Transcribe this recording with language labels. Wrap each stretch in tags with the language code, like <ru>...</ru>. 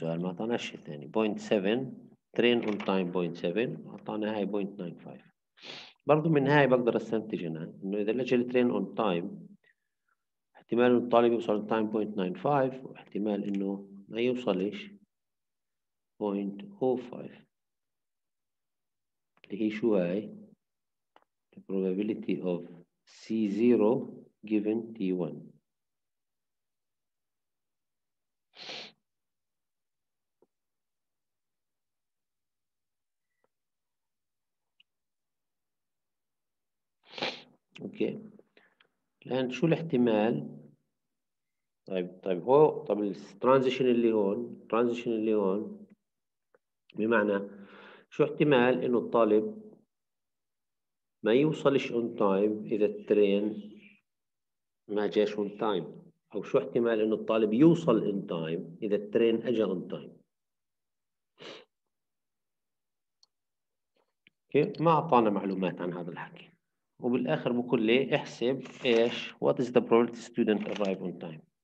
<ar>السؤال ما أعطاناش شيء ثاني. 0.7 ترين اون تايم 0.7، أعطانا هاي 0.95. برضو من هاي بقدر أستنتج أنا إنه إذا لجل الترين اون تايم احتمال إنه الطالب يوصل اون تايم 0.95، واحتمال إنه ما يوصلش 0.05. اللي هي شو هاي؟</ar> <en>The probability of C0 given T1.</en> <ar>اوكي الان شو الاحتمال؟ طيب هو طب الترانزيشن اللي هون، الترانزيشن اللي هون بمعنى شو احتمال انه الطالب ما يوصلش اون تايم اذا الترين ما جاش اون تايم، او شو احتمال انه الطالب يوصل اون تايم اذا الترين اجى اون تايم؟ اوكي ما اعطانا معلومات عن هذا الحكي. وبالاخر بقول لي احسب ايش</ar> <en>what is the probability student arrive on time.</en>